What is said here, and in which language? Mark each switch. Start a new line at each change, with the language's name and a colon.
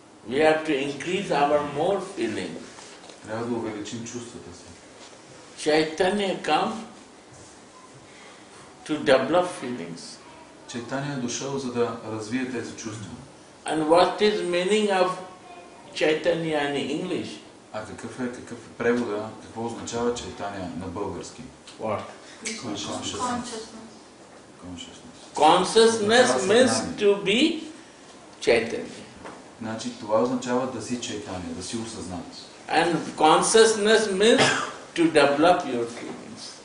English: We have to increase our more feeling.
Bulgarian: Трябва да увеличим чувствата си.
English: Chaitanya come to develop feelings.
Bulgarian: Chaitanya е дошъл, за да развие тези чувства.
English: And what is meaning of Chaitanya in English?
Bulgarian: А какъв е превода, какво означава Chaitanya на български?
English: What? Consciousness. Consciousness means to be Chaitanya.
Bulgarian: Значи това означава да си Чайтани, да си осъзнат.
English: And consciousness means to develop your feelings.